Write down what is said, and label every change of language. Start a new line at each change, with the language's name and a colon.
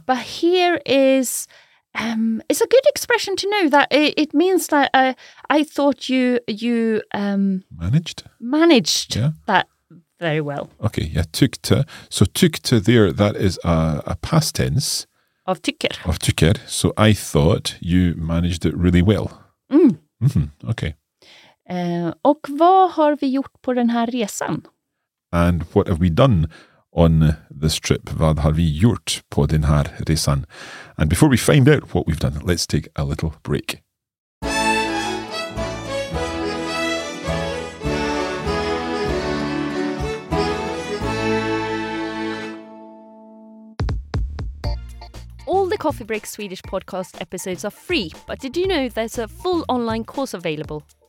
English: But here is, it's a good expression to know that it means that I thought you Managed yeah. That very well. Okay, yeah, tyckte. So tyckte there, that is a past tense. Of tycker. So I thought you managed it really well. Mm. Mm-hmm. Okay.
Swedish: Och vad har vi gjort på den här resan?
English: And what have we done on this trip?
Swedish: Vad har vi gjort på den här resan?
English: And before we find out what we've done, let's take a little break. Coffee Break Swedish podcast episodes are free, but did you know there's a full online course available?